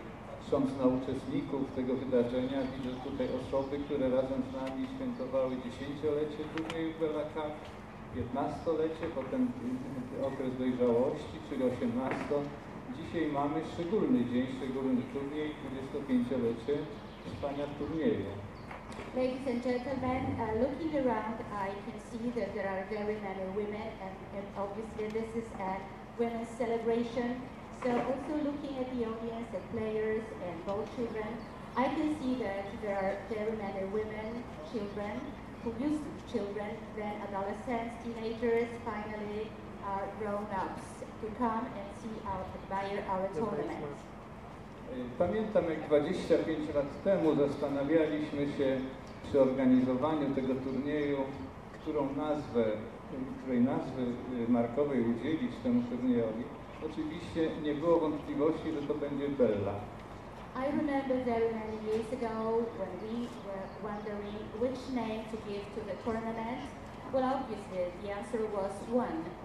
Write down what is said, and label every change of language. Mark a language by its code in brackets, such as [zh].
[pl] Patrząc na uczestników tego wydarzenia, widzę tutaj osoby, które razem z nami świętowały dziesięciolecie turnieju Belaka, 15-lecie, potem okres dojrzałości, czyli 18. Dzisiaj mamy szczególny dzień, szczególny turniej, 25-lecie trwania turnieju. [en] Ladies and gentlemen, looking around, I can see that there are very many women, and obviously this is a women's celebration. So also looking at the audience, the players and both children, I can see that there are very many women, children, who used to be children, then adolescents, teenagers, finally are grown-ups to come and see our, admire our tournament. [pl] Pamiętam, jak 25 lat temu zastanawialiśmy się przy organizowaniu tego turnieju, którą nazwę, której nazwy markowej udzielić temu turniejowi. Oczywiście nie było wątpliwości, że to będzie Bella. [en] I remember very many years ago when we were wondering which name to give to the tournament. Well, obviously the answer was one.